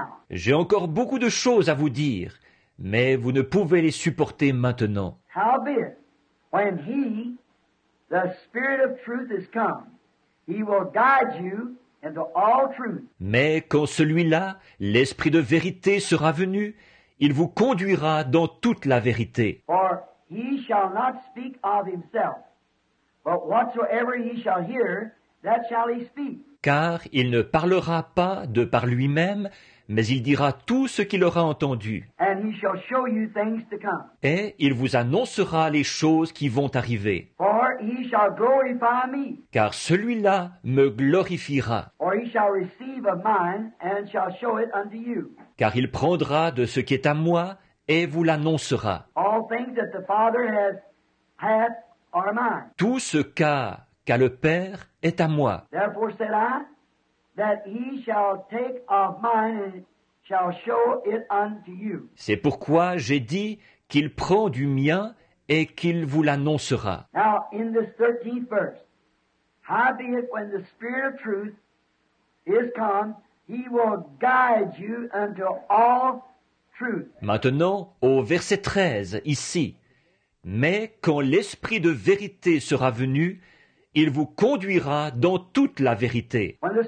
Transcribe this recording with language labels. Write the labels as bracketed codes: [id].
[fr] J'ai encore beaucoup de choses à vous dire, mais vous ne pouvez les supporter maintenant. [en] Howbeit, when he, the Spirit of truth, is come, he will guide you into all truth. [fr] Mais quand celui-là, l'Esprit de vérité, sera venu, il vous conduira dans toute la vérité. [en] For he shall not speak of himself. But whatsoever he shall hear, that shall he speak. [fr] Car il ne parlera pas de par lui-même, mais il dira tout ce qu'il aura entendu. [en] And he shall show you things to come. [fr] Et il vous annoncera les choses qui vont arriver. [en] For he shall glorify me. [fr] Car celui-là me glorifiera. [en] Or he shall receive of mine and shall show it unto you. [fr] Car il prendra de ce qui est à moi et vous l'annoncera. [en] All things that the Father hath are mine. [fr] Tout ce qu'a, qu'a le Père est à moi. [en] Therefore said I, that he shall take of mine and shall show it unto you. [fr] C'est pourquoi j'ai dit qu'il prend du mien et qu'il vous l'annoncera. [en] Now in this 13th verse, howbeit when the Spirit of truth is come, he will guide you unto all truth. [fr] Maintenant au verset 13 ici, mais quand l'Esprit de vérité sera venu, il vous conduira dans toute la vérité.